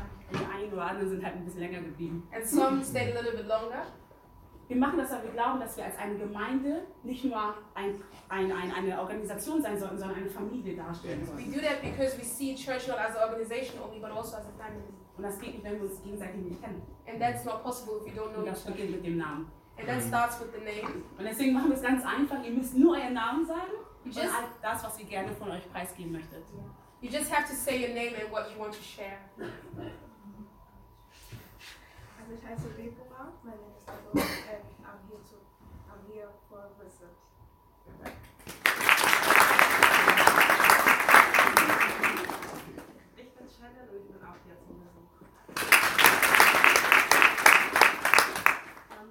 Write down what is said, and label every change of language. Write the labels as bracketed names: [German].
[English] And some stayed a little bit longer. [German] Wir machen das, weil wir glauben, dass wir als eine Gemeinde nicht nur eine Organisation sein sollten, sondern eine Familie darstellen sollen. [English] We do that because we see church not as an organization only, but also as a family. [German] Und das geht nicht, wenn wir uns gegenseitig nicht kennen. [English] And that's not possible if you don't know each other. [German] Das beginnt mit dem Namen. [English] And that starts with the name. [German] Und deswegen machen wir es ganz einfach. Ihr müsst nur euren Namen sagen und all das, was ihr gerne von euch preisgeben möchtet. [English] Yeah. You just have to say your name and what you want to share. [German] Ich heiße Deborah, mein Name ist Deborah, und [English] I'm here for a visit. [German] Ich bin Shannon und ich bin auch hier zum Besuch.